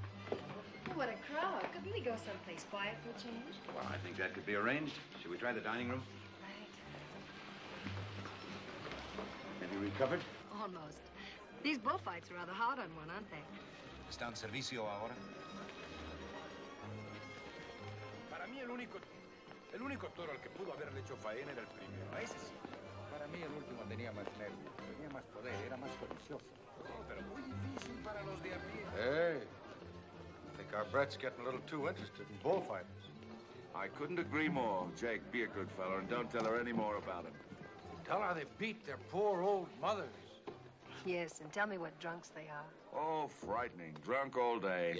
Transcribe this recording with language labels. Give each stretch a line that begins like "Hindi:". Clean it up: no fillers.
English: Oh, what a crowd. Couldn't we go someplace quiet for a change? Well, I think that could be arranged. Should we try the dining room? Right. Have you recovered? Almost. These bullfights are rather hard on one, aren't they?
Spanish: Están servicio ahora. Para mí el único toro al que pudo haberle hecho faena era el primero. Ese sí. Para mí el último tenía más nervios, tenía más poder, era más codicioso. Pero muy difícil para los de a pie.
English: Hey, I think our Brett's getting a little too interested in bullfighters. I couldn't agree more. Jake, be a good fella and don't tell her any more about him. Tell her they beat their poor old mothers. Yes, and tell me what drunks they are. Oh, frightening. Drunk all day.